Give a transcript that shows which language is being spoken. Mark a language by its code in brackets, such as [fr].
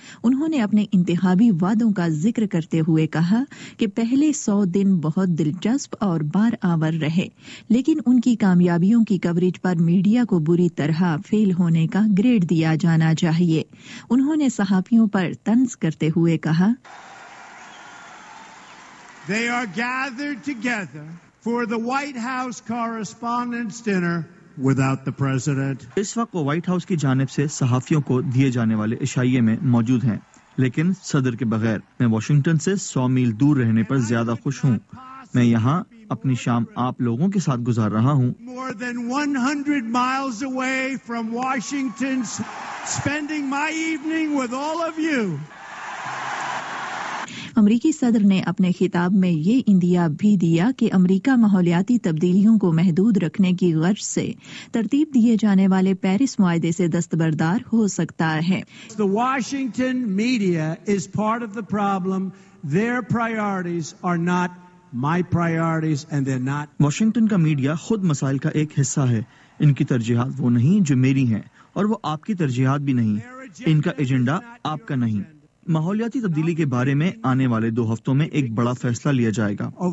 [ur] انہوں نے اپنے انتخابی وعدوں کا ذکر کرتے ہوئے کہا کہ پہلے 100 دن بہت دلچسپ اور بار آور رہے, لیکن ان کی کامیابیوں کی کوریج پر میڈیا کو بری طرح فیل ہونے کا گریڈ دیا جانا چاہیے. انہوں نے صحافیوں پر طنز کرتے ہوئے کہا, [en] They are gathered together for the White House Correspondents' Dinner without the President. [ur] اس وقت وہ وائٹ ہاؤس کی جانب سے صحافیوں کو دیے جانے والے اشائیے میں موجود ہیں لیکن صدر کے بغیر. میں واشنگٹن سے 100 میل دور رہنے پر زیادہ خوش ہوں. میں یہاں اپنی شام آپ لوگوں کے ساتھ گزار رہا ہوں. [en] More than 100 miles away from Washington, spending my evening with all of you. [ur] امریکی صدر نے اپنے خطاب میں یہ اندیا بھی دیا کہ امریکہ ماحولیاتی تبدیلیوں کو محدود رکھنے کی غرض سے ترتیب دیے جانے والے پیرس معاہدے سے دستبردار ہو سکتا ہے. [en] The Washington media is part of the problem. Their priorities are not my priorities and they're not. [ur] Washington کا میڈیا خود مسائل کا ایک حصہ ہے. ان کی ترجیحات وہ نہیں جو میری ہیں اور وہ آپ کی ترجیحات بھی نہیں. ان کا ایجنڈا آپ کا نہیں. ماحولیاتی تبدیلی کے بارے میں آنے والے 2 ہفتوں میں ایک بڑا فیصلہ لیا جائے گا.